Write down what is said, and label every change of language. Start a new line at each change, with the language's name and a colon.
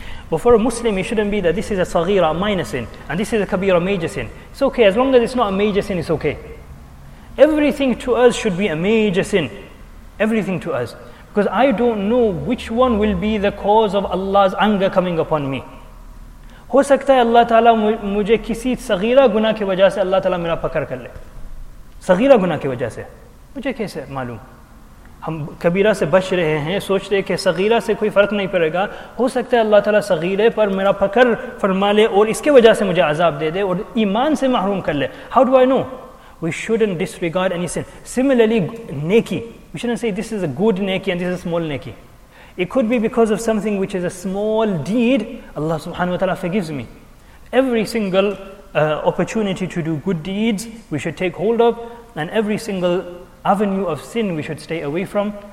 English: But for a Muslim, it shouldn't be that this is a saghira, a minor sin, and this is a kabira, a major sin. It's okay, as long as it's not a major sin, it's okay. Everything to us should be a major sin. Everything to us. Because I don't know which one will be the cause of Allah's anger coming upon me.
Urdu: ہو سکتا ہے اللہ تعالیٰ مجھے کسی صغیرہ گناہ کی وجہ سے اللہ تعالیٰ میرا پکڑ کر لے، صغیرہ گناہ کی وجہ سے۔ مجھے کیسے معلوم؟ ہم کبیرہ سے بچ رہے ہیں، سوچتے کہ صغیرہ سے کوئی فرق نہیں پڑے گا۔ ہو سکتا ہے اللہ تعالیٰ صغیرے پر میرا پکڑ فرما لے اور اس کی وجہ سے مجھے عذاب دے دے اور ایمان سے محروم کر لے۔
English: How do I know? We shouldn't disregard any sin. Similarly نیکی، we shouldn't say this is a good نیکی and this is small نیکی۔ It could be because of something which is a small deed, Allah subhanahu wa ta'ala forgives me. Every single opportunity to do good deeds, we should take hold of. And every single avenue of sin, we should stay away from.